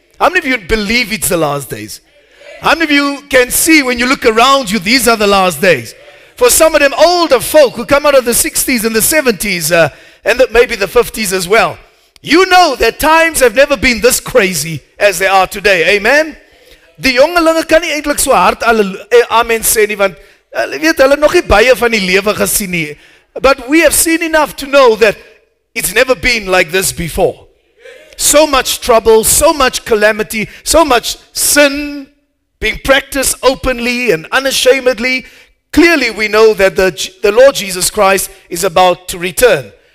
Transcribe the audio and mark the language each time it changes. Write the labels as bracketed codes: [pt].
[en] How many of you believe it's the last days? How many of you can see when you look around you, these are the last days? For some of them older folk who come out of the 60s and the 70s, and maybe the 50s as well, you know that times have never been this crazy as they are today. Amen? [af] Die jongelinge kan nie eintlik so hard amen sê nie, want hulle weet hulle nog nie baie van die lewe gesien nie. [en] But we have seen enough to know that it's never been like this before. So much trouble, so much calamity, so much sin being practiced openly and unashamedly. Clearly we know that the Lord Jesus Christ is about to return.